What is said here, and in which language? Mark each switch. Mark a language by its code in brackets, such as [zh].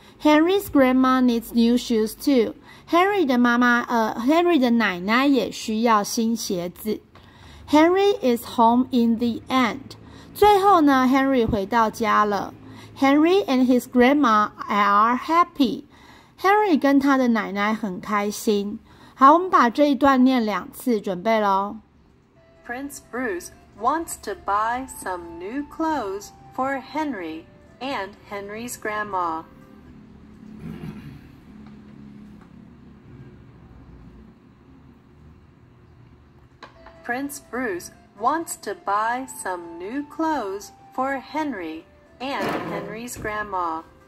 [en] Henry's grandma needs new shoes too. [zh] Henry 的妈妈Henry 的奶奶也需要新鞋子。 [en] Henry is home in the end. [zh] 最后呢 ,Henry 回到家了。 [en] Henry and his grandma are happy. [zh] Henry 跟他的奶奶很开心。好，我们把这一段念两次，准备咯。 [en] Prince Bruce wants to buy some new clothes for Henry and Henry's grandma. Prince Bruce wants to buy some new clothes for Henry and Henry's grandma.